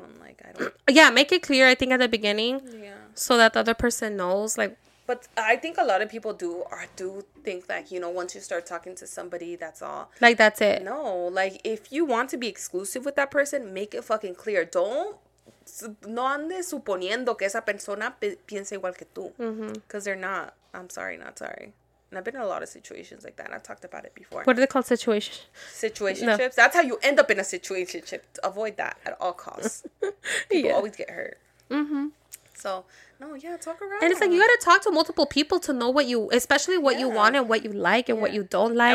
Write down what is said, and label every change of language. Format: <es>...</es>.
<en>I'm like, I don't... Yeah, make it clear, I think, at the beginning. Yeah. So that the other person knows, like... But I think a lot of people do think that, you know, once you start talking to somebody, that's all. Like, that's it. No. Like, if you want to be exclusive with that person, make it fucking clear. Don't...</en> <es>No andes suponiendo que esa persona piense igual que tú.</es> <en>Mm-hmm. Because they're not. I'm sorry, not sorry. And I've been in a lot of situations like that. I've talked about it before. What are they called? Situationships. No. That's how you end up in a situationship. Avoid that at all costs. People always get hurt. Mm-hmm. So, no, yeah, talk around. And it's like, you got to talk to multiple people to know what you, especially what you want and what you like and what you don't like.</en>